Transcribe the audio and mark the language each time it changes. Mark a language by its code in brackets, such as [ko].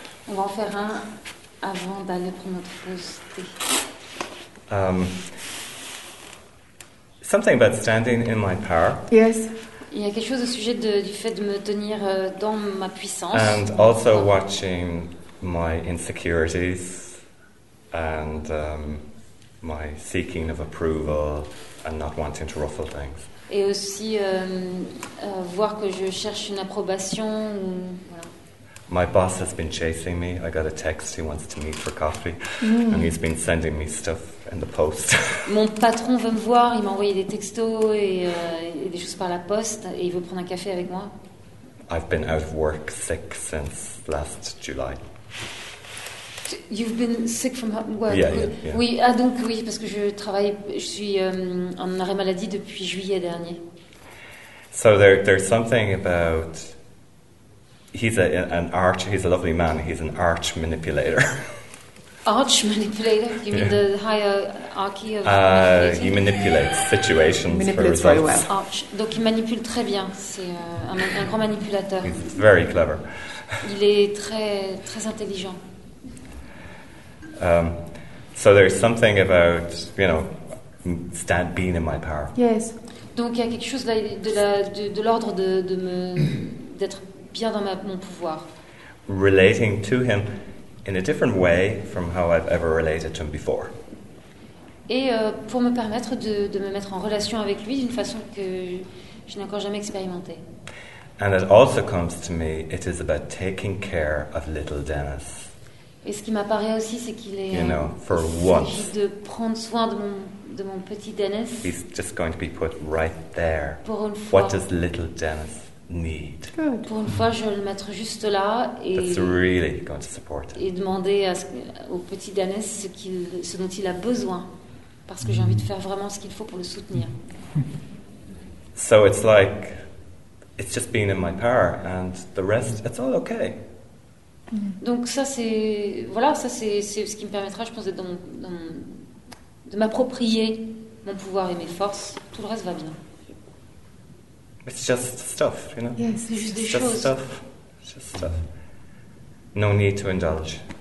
[fr] On va en faire un avant d'aller prendre notre pause thé. [en] Something about standing in my power. Yes. [fr] Il y a quelque chose au sujet du fait de me tenir dans ma puissance. [en] And also watching my insecurities. And my seeking of approval and not wanting to ruffle things. [fr] Et aussi voir que je cherche une approbation. Voilà. [en] My boss has been chasing me. I got a text. He wants to meet for coffee. Mm. And he's been sending me stuff in the post. [fr] Mon patron veut me voir. Il m'a envoyé des textos et des choses par la poste. Et il veut prendre un café avec moi. [en] I've been out of work sick since last July. You've been sick from work? Yeah. [fr] Oui, ah, donc oui, parce que je travaille, je suis en arrêt maladie depuis juillet dernier. [en] So there's something about... He's he's a lovely man. He's an arch manipulator. Arch manipulator? You mean the hierarchy of manipulating? He manipulates situations manipulates for results. Very well. [fr] Arch. Donc il manipule très bien. C'est un grand manipulateur. [en] He's very clever. [fr] Il est très très intelligent. [en] So there's something about, you know, stand being in my power. Yes. [fr] Donc il y a quelque chose de l'ordre de me d'être bien dans mon pouvoir. [en] Relating to him in a different way from how I've ever related to him before. [fr] Et pour me permettre de me mettre en relation avec lui d'une façon que je n'ai encore jamais expérimenté. [en] And it also comes to me, it is about taking care of little Dennis. [fr] Et ce qui m'apparaît aussi, c'est qu'il est de prendre soin de mon petit Dennis. [en] He's just going to be put right there. [fr] Pour une fois. [en] What does little Dennis need? Good. [fr] Pour une fois, je vais le mettre juste là et [en] that's really going to support him. [fr] Et demander au petit Dennis ce dont il a besoin, parce que j'ai envie de faire vraiment ce qu'il faut pour le soutenir. [en] So it's like it's just being in my power, and the rest, it's all okay. [fr] Donc ça c'est ce qui me permettra, je pense, d'être de m'approprier mon pouvoir et mes forces. Tout le reste va bien. [en] It's just stuff, you know. Yes, [fr] c'est juste [en] just [fr] choses. [en] Stuff. Just stuff. No need to indulge.